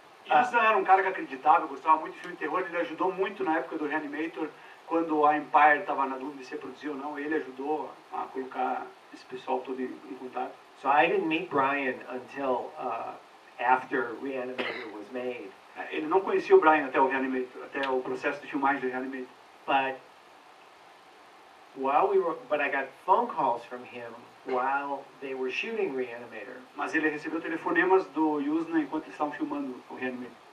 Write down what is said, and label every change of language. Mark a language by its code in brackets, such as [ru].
[pt] Usna era um cara que acreditava, gostava muito de filme de terror, ele ajudou muito na época do Reanimator, quando a Empire estava na dúvida se ia produzir ou não, ele ajudou a colocar esse pessoal todo em contato. [en] So I didn't meet Brian until after Reanimator was made. [pt] Ele não conhecia o Brian até o Reanimator, até o processo de filmagem do Reanimator. [en] But I got phone calls from him while they were shooting Reanimator. [pt] Mas ele recebeu telefonemas do Usna enquanto eles estavam filmando o Reanimator.